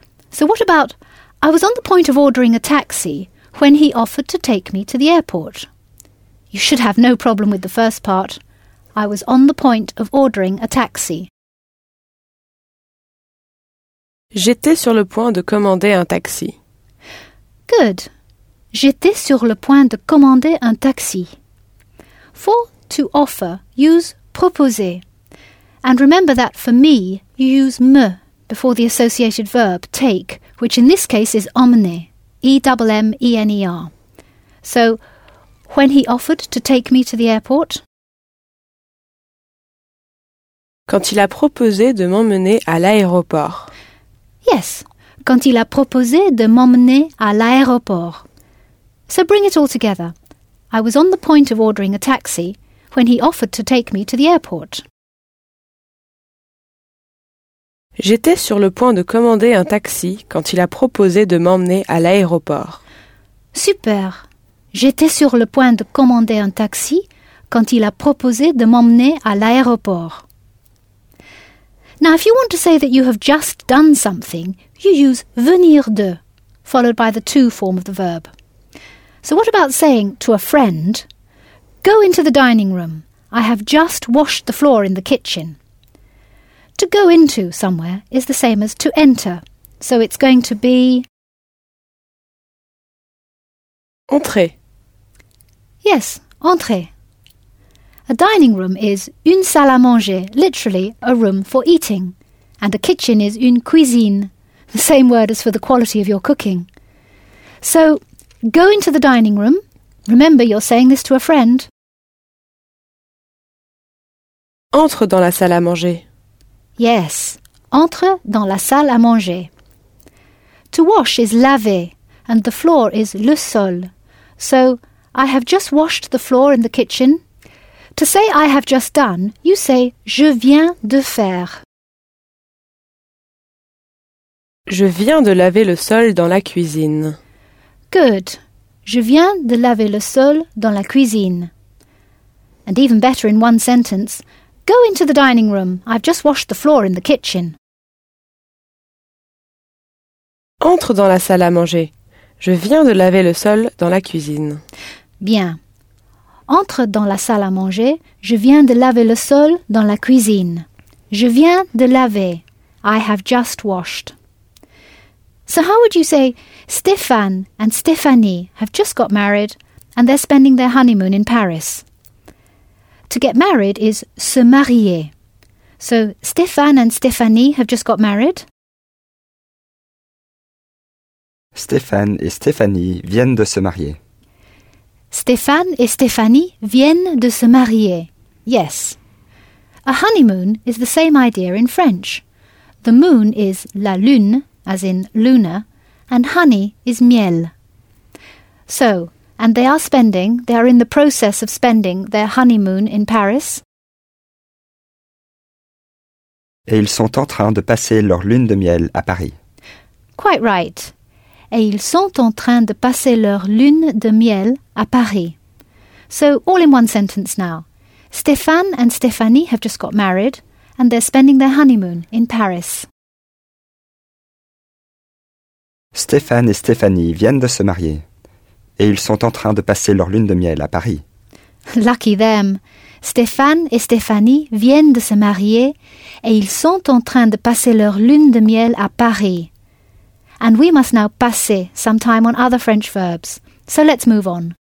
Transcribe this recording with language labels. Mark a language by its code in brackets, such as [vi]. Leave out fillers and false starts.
[en] So what about I was on the point of ordering a taxi when he offered to take me to the airport. You should have no problem with the first part. I was on the point of ordering a taxi. [fr] J'étais sur le point de commander un taxi. [en] Good. [fr] J'étais sur le point de commander un taxi. [en] For to offer, use proposer. And remember that for me, you use me before the associated verb take, which in this case is emmener, E-M-M-E-N-E-R. So, when he offered to take me to the airport? [fr] Quand il a proposé de m'emmener à l'aéroport. Yes, quand il a proposé de m'emmener à l'aéroport. [en] So bring it all together. I was on the point of ordering a taxi when he offered to take me to the airport. [fr] J'étais sur le point de commander un taxi quand il a proposé de m'emmener à l'aéroport. [en] Super. [fr] J'étais sur le point de commander un taxi quand il a proposé de m'emmener à l'aéroport. [en] Now, if you want to say that you have just done something, you use venir de, followed by the to form of the verb. So what about saying to a friend, go into the dining room. I have just washed the floor in the kitchen. To go into somewhere is the same as to enter. So it's going to be... [fr] Entrer. [en] Yes, entrer. A dining room is une salle à manger, literally a room for eating. And a kitchen is une cuisine, the same word as for the quality of your cooking. So... Go into the dining room. Remember, you're saying this to a friend. [fr] Entre dans la salle à manger. Yes, entre dans la salle à manger. [en] To wash is laver, and the floor is le sol. So, I have just washed the floor in the kitchen. To say I have just done, you say [fr] je viens de faire. Je viens de laver le sol dans la cuisine. [en] Good. [fr] Je viens de laver le sol dans la cuisine. [en] And even better in one sentence, go into the dining room. I've just washed the floor in the kitchen. [fr] Entre dans la salle à manger. Je viens de laver le sol dans la cuisine. Bien. Entre dans la salle à manger. Je viens de laver le sol dans la cuisine. Je viens de laver. [en] I have just washed. So how would you say Stéphane and Stéphanie have just got married and they're spending their honeymoon in Paris? To get married is se marier. So Stéphane and Stéphanie have just got married. [fr] Stéphane et Stéphanie viennent de se marier. Stéphane et Stéphanie viennent de se marier. [en] Yes. A honeymoon is the same idea in French. The moon is la lune, as in luna, and honey is miel. So, and they are spending, they are in the process of spending their honeymoon in Paris. [fr] Et ils sont en train de passer leur lune de miel à Paris. [en] Quite right. [fr] Et ils sont en train de passer leur lune de miel à Paris. [en] So, all in one sentence now. Stéphane and Stéphanie have just got married, and they're spending their honeymoon in Paris. [fr] Stéphane et Stéphanie viennent de se marier et ils sont en train de passer leur lune de miel à Paris. [en] Lucky them. [fr] Stéphane et Stéphanie viennent de se marier et ils sont en train de passer leur lune de miel à Paris. [en] And we must now passer some time on other French verbs. So let's move on.